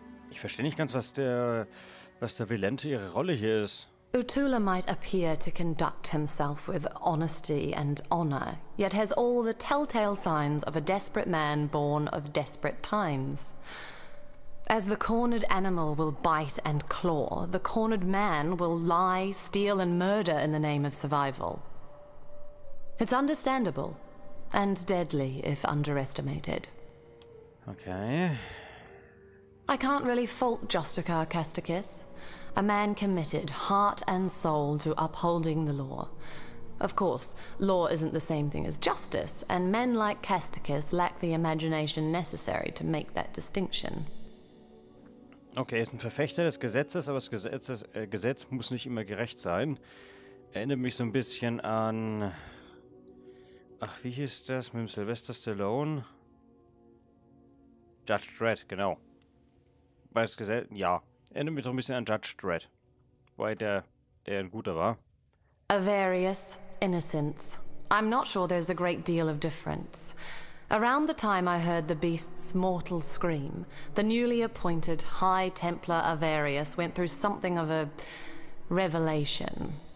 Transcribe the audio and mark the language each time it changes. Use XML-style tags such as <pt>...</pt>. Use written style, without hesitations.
<de>Ich verstehe nicht ganz, was der Vilente ihre Rolle hier ist.</de> <en>Utula might appear to conduct himself with honesty and honor, yet has all the telltale signs of a desperate man born of desperate times. As the cornered animal will bite and claw, the cornered man will lie, steal, and murder in the name of survival. It's understandable, and deadly if underestimated. Okay. I can't really fault Justicar Casticus. A man committed, heart and soul, to upholding the law. Of course, law isn't the same thing as justice, and men like Casticus lack the imagination necessary to make that distinction.</en> <de>Okay, er ist ein Verfechter des Gesetzes, aber das Gesetz muss nicht immer gerecht sein. Erinnert mich so ein bisschen an... Ach, wie hieß das? Mit dem Sylvester Stallone? Judge Dredd, genau. Weil das Gesetz... Ja. Erinnert mich doch ein bisschen an Judge Dredd. Weil der ein guter war.</de> <en>Avarice, innocence. I'm not sure there's a great deal of difference. Around the time I heard the beast's mortal scream, the newly appointed High Templar Avarius went through something of a revelation.</en>